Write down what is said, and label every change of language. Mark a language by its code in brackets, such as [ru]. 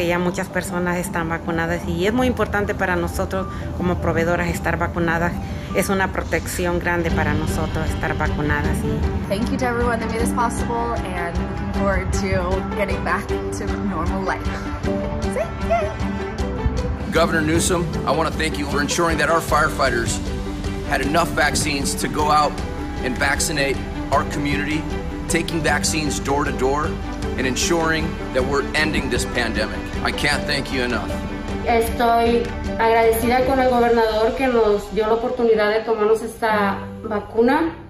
[es] ya muchas personas están vacunadas y es muy importante para nosotros como proveedoras estar vacunadas. Es una protección grande para nosotros estar vacunadas. Y... [en] Thank you to everyone that made this possible and looking forward to getting back to normal life. Governor Newsom, I want to thank you for ensuring that our firefighters had enough vaccines to go out and vaccinate our community, taking vaccines door to door, and ensuring that we're ending this pandemic. I can't thank you enough. [es] Estoy agradecida con el gobernador que nos dio la oportunidad de tomarnos esta vacuna.